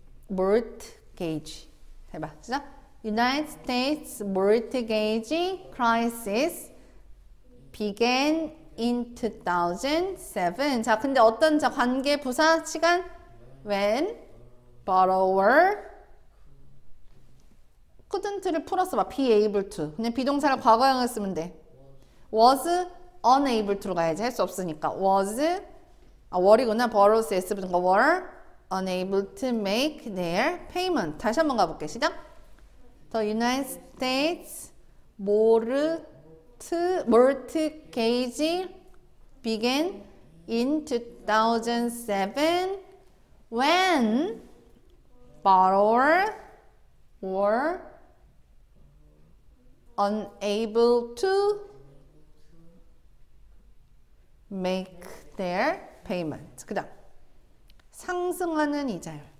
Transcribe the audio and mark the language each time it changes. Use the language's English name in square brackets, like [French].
[Korean] 몰티게이지. 해봐. 시작. [English] United States mortgage crisis began in 2007. [Korean] 자, 근데 어떤 자 관계 부사 시간 [English] when borrower couldn't [Korean] 를 풀었어 봐. [English] be able to. [Korean] 그냥 비동사를 과거형을 쓰면 돼. [English] was unable to [Korean] 로 가야지. 할수 없으니까. was 아 were이구나. [English] borrower's s부터가 were unable to make their payment. [Korean] 다시 한번 가 볼게. 시작. [English] The United States mortgage began in 2007 when borrower were unable to make their payment. [Korean] 그다음 상승하는 이자율.